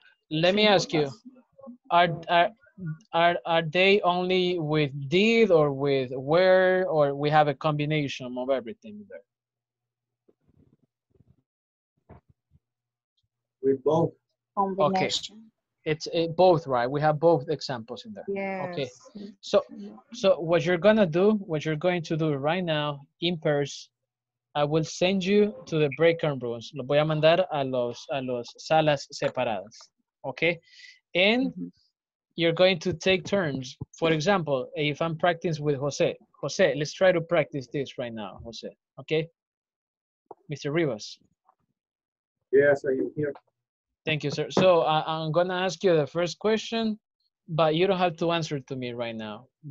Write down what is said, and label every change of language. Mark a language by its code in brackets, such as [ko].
[en] Let me ask you, are they only with did or with were, or we have a combination of everything there? With both. Okay. It's both, right? We have both examples in there. Yes. Okay. So what you're going to do right now in pairs, I will send you to the breakout rooms. [es] Lo voy a mandar a los salas separadas. [en] Okay. And you're going to take turns. For example, if I'm practicing with Jose, let's try to practice this right now, Jose. Okay? Mr. Rivas. Yes, are you here? Thank you, sir. So I'm gonna ask you the first question, but you don't have to answer to me right now.